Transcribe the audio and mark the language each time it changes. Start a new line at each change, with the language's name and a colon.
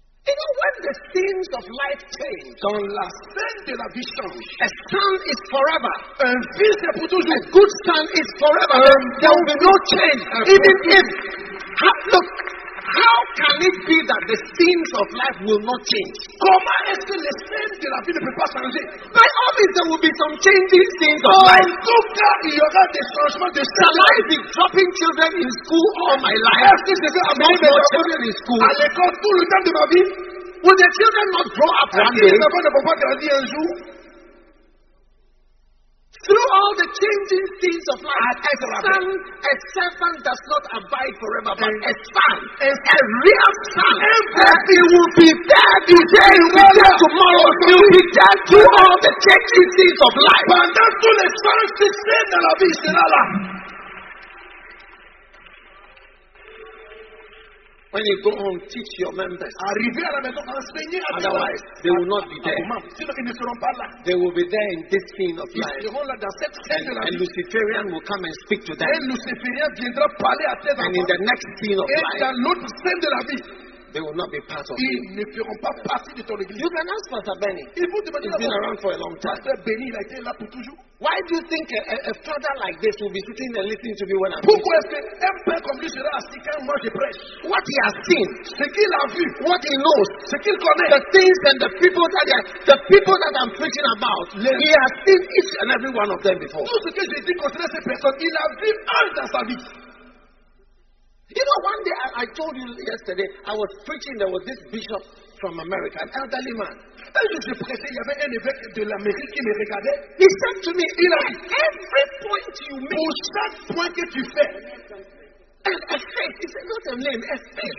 English: You know, when the scenes of life change,
French: dans la scène de la vie change,
English: a son is forever.
French: Un fils est pour toujours.
English: A good son is forever. There will be no change. Even if, look, how can it be that the scenes of life will not change?
French: Comment est-ce que les scènes de la vie ne peuvent pas changer?
English: My office, there will be some changing scenes of oh, life.
French: En tout cas, il y aura des changements de
English: scènes. Shall I be dropping children in school all my life?
French: Est-ce que c'est ça?
English: I'm not children in school.
French: À l'école tout le temps de ma vie?
English: Will the children not grow up one day?
French: Les enfants ne vont pas grandir un jour?
English: Through all the changing things of life, a servant does not abide forever, but a son, a real son, he will be there today, will be there tomorrow, he will be there through all the changing things of life.
French: Pendant tous les sens qui sont dans la vie, c'est là.
English: When you go home, teach your members.
French: Arrivez à la maison, enseignez à
English: otherwise, they will not be there.
French: Sinon, ils ne seront pas là.
English: They will be there in this scene of
French: ils
English: life.
French: Seront là dans cette scène de la
English: and
French: vie.
English: Luciferian will come and speak to them.
French: Et Luciferian viendra parler à tes
English: and
French: enfants.
English: In the next scene of
French: et
English: life,
French: dans l'autre scène de la vie,
English: they will not be part of
French: ils ne feront pas partie de ton église.
English: You can ask Pastor Benny. He's been around for a long time.
French: Pastor Benny, il a été là pour toujours.
English: Why do you think a father like this will be sitting and listening to me when I'm
French: pourquoi est-ce qu'un père comme lui sera assis quand moi je prêche?
English: What he has seen,
French: ce qu'il a vu,
English: what he knows,
French: ce qu'il connaît,
English: the things and the people that I'm preaching about, he has seen each and every one of them before.
French: Tout ce que j'ai dit concernant ces personnes, il a vu un dans sa vie.
English: You know, one day I told you yesterday, I was preaching, there was this bishop from America, an elderly man. He said to me, you know, every point you make,
French: pour chaque point que tu fais,
English: and a face, he said, not a name, a face.